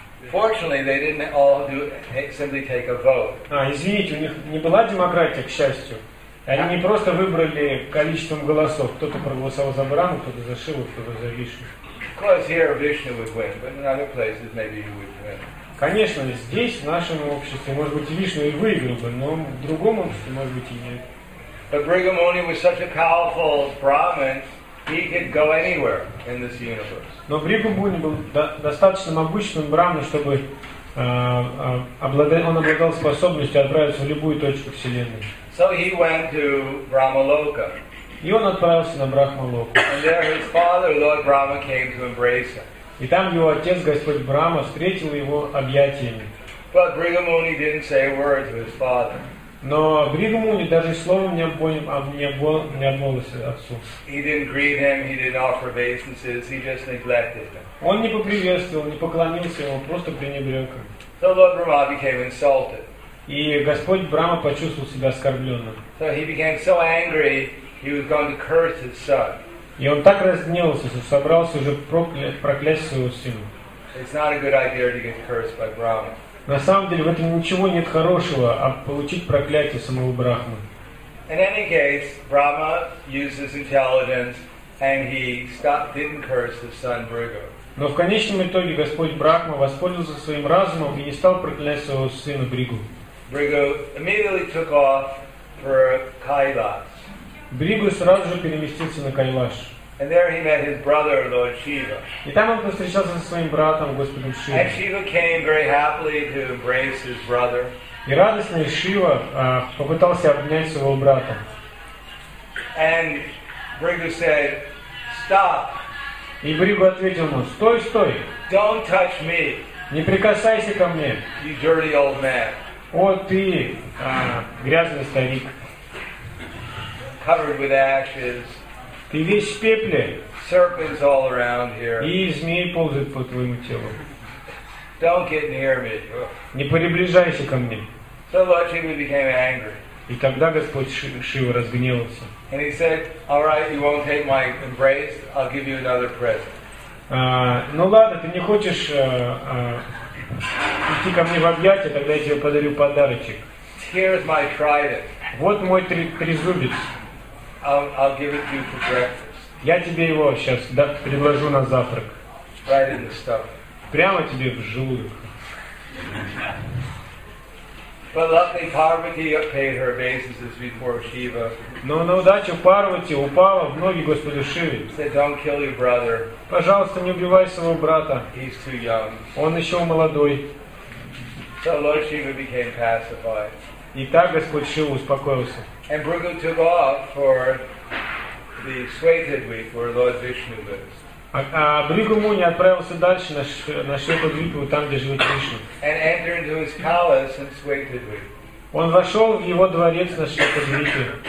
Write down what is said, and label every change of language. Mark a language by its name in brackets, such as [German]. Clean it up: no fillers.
[English] Fortunately, they didn't all do simply take a vote. [Russian] Извините, у них не была демократия, к счастью. Они не просто выбрали количеством голосов. Кто-то проголосовал за Браму, кто-то за Шиву, кто-то за Вишну. [English] Because here Vishnu would win, but in other places maybe he would win. [Russian] Конечно, здесь, в нашем обществе, может быть, и Вишну и выиграл бы, но в другом обществе, может быть, и нет. [English] But Bhriga Muni was such a powerful Brahmin, he could go anywhere in this universe. [Russian] Но Бхрига Муни был достаточно могущественным Брахманом, чтобы он обладал способностью отправиться в любую точку Вселенной. [English] So he went to Brahmaloka. [Russian] И он отправился на Брахмалоку. [English] And there his father, Lord Brahma, came to embrace him. [Russian] И там его отец, Господь Брахма, встретил его объятиями. [English] But Bhriga Muni didn't say a word to his father. [Russian] Но Бхрига Муни даже словом не обмолвился отцу. [English] He didn't greet him, he didn't offer obeisances, he just neglected him. [Russian] Он не поприветствовал, не поклонился ему, просто пренебрег им. [English] So Lord Brahma became insulted. [Russian] И Господь Брахма почувствовал себя оскорбленным. [English] So he became so angry, he was going to curse his son. [Russian] И он так разгневался, что собрался уже проклясть своего сына. [English] It's not a good idea to get cursed by Brahma. [Russian] На самом деле в этом ничего нет хорошего, а получить проклятие самого Брахмы. [English] In any case, Brahma used his intelligence, and he stopped, didn't curse his son Bhriga. [Russian] Но в конечном итоге Господь Брахма воспользовался своим разумом и не стал проклясть своего сына Бригу. [English] Bhriga immediately took off for Kailas. [Russian] Бригу сразу же переместился на Кайлаш. [English] And there he met his brother, Lord Shiva. [Russian] И там он встречался со своим братом, господом Шивой. [English] And Shiva came very happily to embrace his brother. [Russian] И радостный Шива попытался обнять своего брата. [English] And Bhriga said, "Stop." [Russian] И Бригу ответил ему: "Стой, стой! [English] Don't touch me. [Russian] Не прикасайся ко мне. [English] You dirty old man. [Russian] О, ты грязный старик. [English] Covered with ashes." [Russian] Ты весь в пепле. [English] Serpents all around here. [Russian] И змеи ползают по твоему телу. [English] Don't get near me. [Russian] Не приближайся ко мне. [English] So Lord Shiva became angry. [Russian] И тогда Господь Шива разгневался. [English] And he said, "All right, you won't take my embrace. I'll give you another present." [Russian] Ну ладно, ты не хочешь идти ко мне в объятия, тогда я тебе подарю подарочек. [English] Here's my trident. [Russian] Вот мой трезубец. [English] I'll give it to you for breakfast. [Russian] Я тебе его сейчас предложу на завтрак. [English] Right in the stomach. [Russian] Прямо тебе в желудок. [English] But luckily Parvati paid her obeisances before Shiva. [Russian] Но на удачу Парвати упала в ноги Господу Шиве. [English] Said, "Don't kill your brother." [Russian] Пожалуйста, не убивай своего брата. [English] He's too young. [Russian] Он еще молодой. [English] So Lord Shiva became pacified. [Russian] И так Господь Шива успокоился. [English] And Bhriga took off for the Shvetadvip where Lord Vishnu lives. [Russian] А Бхрига Муни отправился дальше на Шветадвипу, там где живет Вишну. [English] And entered into his palace in Shvetadvip. [Russian] Он вошел в его дворец на Шветадвипе.